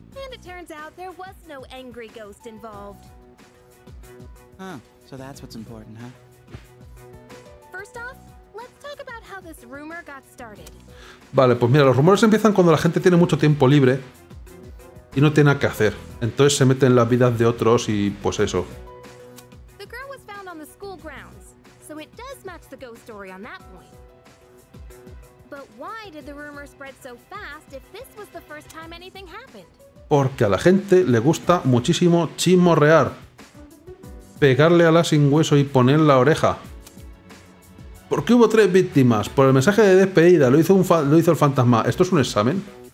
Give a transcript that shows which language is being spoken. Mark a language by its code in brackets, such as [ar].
[en] And it turns out there was no angry ghost involved. Huh, so that's what's important, huh? First off, let's talk about how this rumor got started. [es] Vale, pues mira, los rumores empiezan cuando la gente tiene mucho tiempo libre y no tiene nada que hacer. Entonces se mete en las vidas de otros y pues eso. [en] The girl was found on the school grounds, so it does match the ghost story on that point. But why did the rumor spread so fast if this was the first time anything happened? [es] Porque a la gente le gusta muchísimo chismorrear. Pegarle a la sin hueso y poner la oreja. ¿Por qué hubo tres víctimas? Por el mensaje de despedida, lo hizo el fantasma. ¿Esto es un examen?